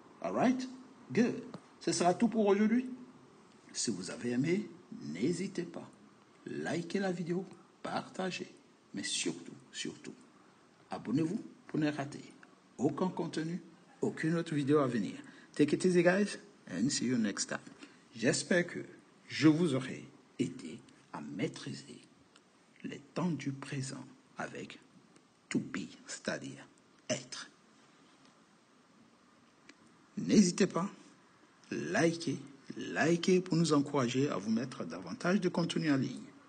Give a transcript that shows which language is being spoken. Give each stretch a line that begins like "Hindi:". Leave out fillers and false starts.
English: All right? Good.
French: Ce sera tout pour aujourd'hui. Si vous avez aimé, n'hésitez pas. Likez la vidéo, partagez. Mais surtout, surtout, abonnez-vous pour ne rater aucun contenu, aucune autre vidéo à venir.
English: Take it easy, guys, and see you next time.
French: J'espère que je vous aurai aidé à maîtriser les temps du présent avec to be, c'est-à-dire être. N'hésitez pas, likez pour nous encourager à vous mettre davantage de contenu en ligne.